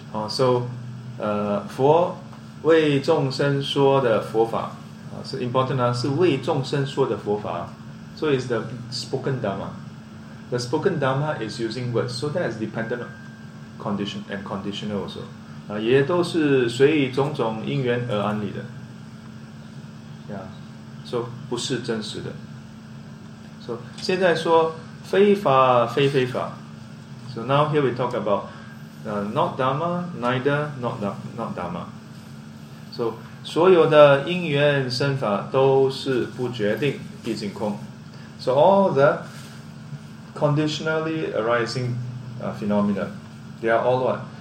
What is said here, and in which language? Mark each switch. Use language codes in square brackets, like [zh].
[en] So, [zh] 佛为众生说的佛法, [en] so important, [zh] 是为众生说的佛法, [en] so it's the spoken Dharma. The spoken Dharma is using words, so that is dependent condition and conditional also. [zh] 也都是随种种因缘而安立的。 Yeah. So, 不是真实的。So, 现在说非法非非法。 [en] So now here we talk about not Dharma, neither not Dharma. [zh] So, 所有的因缘生法都是不决定毕竟空。 [en] So all the conditionally arising phenomena, they are all what?